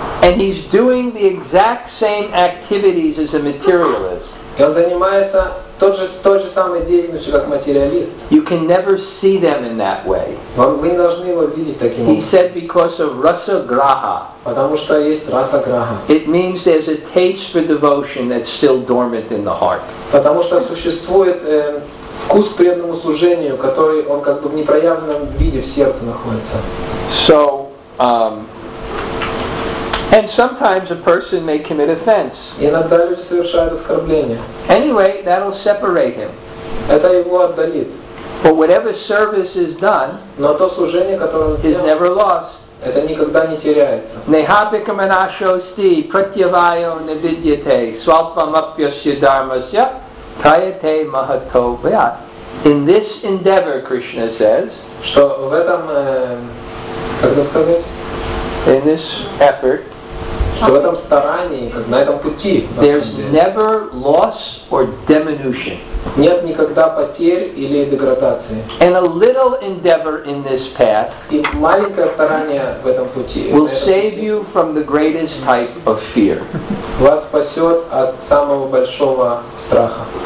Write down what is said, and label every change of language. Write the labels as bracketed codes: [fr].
[en] and he's doing the exact same activities as a materialist, [ru] и он занимается тот же самый деятельностью, как материалист. [en] You can never see them in that way. [ru] Вы не должны его видеть таким образом. [en] He said because of rasa graha. [ru] Потому что есть раса граха. [en] It means there's a taste for devotion that's still dormant in the heart. [ru] Потому что существует вкус к преданному служению, который он как бы в непроявленном виде в сердце находится. [en] So, and sometimes a person may commit offense. [ru] Иногда люди совершают оскорбление. [en] Anyway, that'll separate him. [ru] Это его отдалит. [en] But whatever service is done, [ru] но то служение, которое он сделал, [en] is never lost. [ru] Это никогда не теряется. [sa] Nehabikam anashosti pratyavayo nevidyate svalpam apyasya dharmasya prayate mahato vyat. [en] In this endeavor, Krishna says, [ru] что в этом, как это сказать? [en] In this effort, [ru] что в этом старании, как на этом пути, [en] there's never loss or diminution. [ru] Нет никогда потерь или деградации. [en] And a little endeavor in this path, [ru] и маленькое старание в этом пути, [en] will save you from the greatest type of fear. [ru] Вас спасет от самого большого страха.